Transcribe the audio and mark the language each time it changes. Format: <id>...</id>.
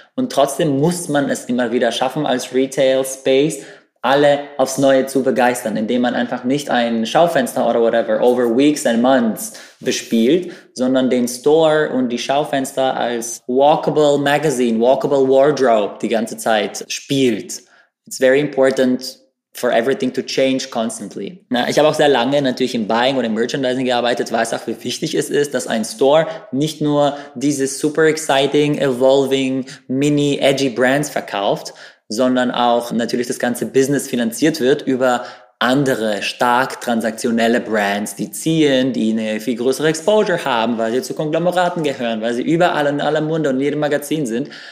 <de>Und trotzdem muss man es immer wieder schaffen, als Retail Space alle aufs Neue zu begeistern, indem man einfach nicht ein Schaufenster oder</de> <en>whatever over weeks and months</en> <de>bespielt, sondern den Store und die Schaufenster als</de> <en>walkable magazine, walkable wardrobe</en> <de>die ganze Zeit spielt.</de> <en>It's very important for everything to change constantly.</en> <de>Na, ich habe auch sehr lange natürlich im Buying und im Merchandising gearbeitet, weiß auch, wie wichtig es ist, dass ein Store nicht nur diese</de> <en>super exciting, evolving, mini, edgy</en> <de>Brands verkauft, sondern auch natürlich das ganze Business finanziert wird über andere stark transaktionelle Brands, die ziehen, die eine viel größere Exposure haben, weil sie zu Konglomeraten gehören, weil sie überall in aller Munde und in jedem Magazin sind.</de>